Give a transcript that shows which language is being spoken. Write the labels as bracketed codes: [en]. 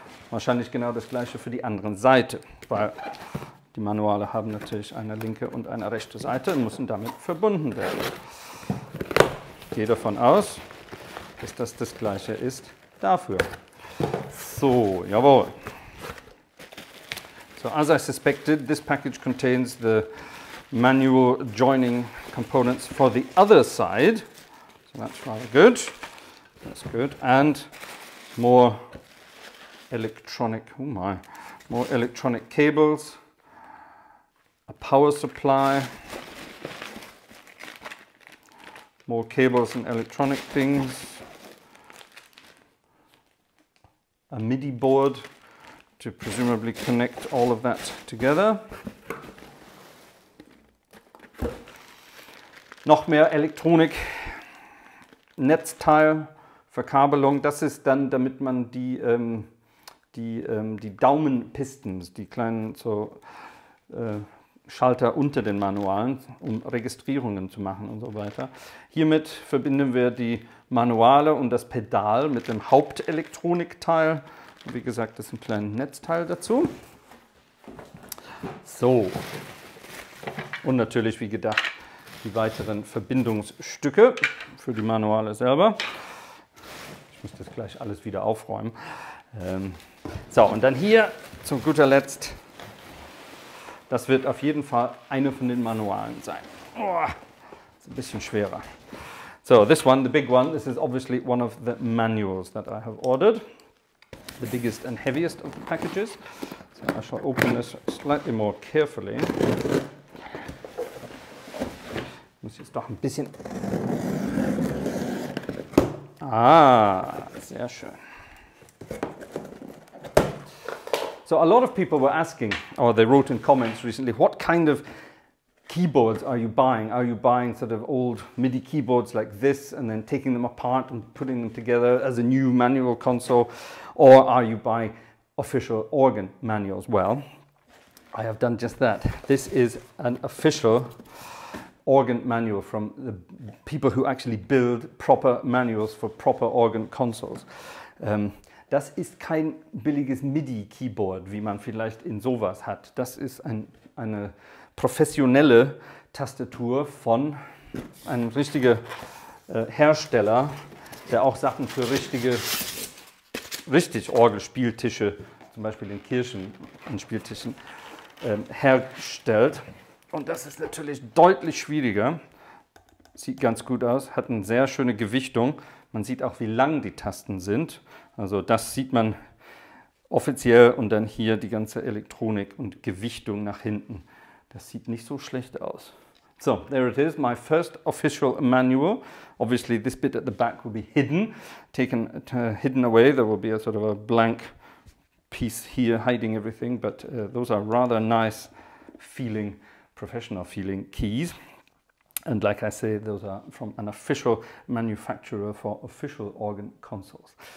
[de] Wahrscheinlich genau das gleiche für die andere Seite. Weil die Manuale haben natürlich eine linke und eine rechte Seite und müssen damit verbunden werden. Ich gehe davon aus, dass das das gleiche ist dafür. So, jawohl. [en] So, as I suspected, this package contains the manual joining components for the other side. So that's rather good. That's good. And more electronic, oh my, more electronic cables, a power supply, more cables and electronic things, a MIDI board to presumably connect all of that together. [de] Noch mehr Elektronik, Netzteil, Verkabelung, das ist dann, damit man die, die Daumenpistons, die kleinen so, Schalter unter den Manualen, um Registrierungen zu machen und so weiter. Hiermit verbinden wir die Manuale und das Pedal mit dem Hauptelektronikteil. Wie gesagt, das ist ein kleines Netzteil dazu. So. Und natürlich, wie gedacht, die weiteren Verbindungsstücke für die Manuale selber. Ich muss das gleich alles wieder aufräumen. So, und dann hier zum guter Letzt. Das wird auf jeden Fall eine von den Manualen sein. Oh, ist ein bisschen schwerer. [en] So, this one, the big one, this is obviously one of the manuals that I have ordered. The biggest and heaviest of the packages. So I shall open this slightly more carefully. [de] Muss jetzt doch ein bisschen. Ah, sehr schön. [en] So a lot of people were asking, or they wrote in comments recently, what kind of keyboards are you buying? Are you buying sort of old MIDI keyboards like this and then taking them apart and putting them together as a new manual console? Or are you buying official organ manuals? Well, I have done just that. This is an official organ manual from the people who actually build proper manuals for proper organ consoles. [de] Das ist kein billiges MIDI-Keyboard, wie man vielleicht in sowas hat. Das ist eine professionelle Tastatur von einem richtigen Hersteller, der auch Sachen für richtig Orgelspieltische, zum Beispiel in Kirchen an Spieltischen, herstellt. Und das ist natürlich deutlich schwieriger. Sieht ganz gut aus, hat eine sehr schöne Gewichtung. Man sieht auch, wie lang die Tasten sind. Also das sieht man offiziell und dann hier die ganze Elektronik und Gewichtung nach hinten. Das sieht nicht so schlecht aus. [en] So there it is, my first official manual. Obviously this bit at the back will be hidden, hidden away. There will be a sort of a blank piece here hiding everything, but those are rather nice feeling, professional feeling keys. And like I say, those are from an official manufacturer for official organ consoles.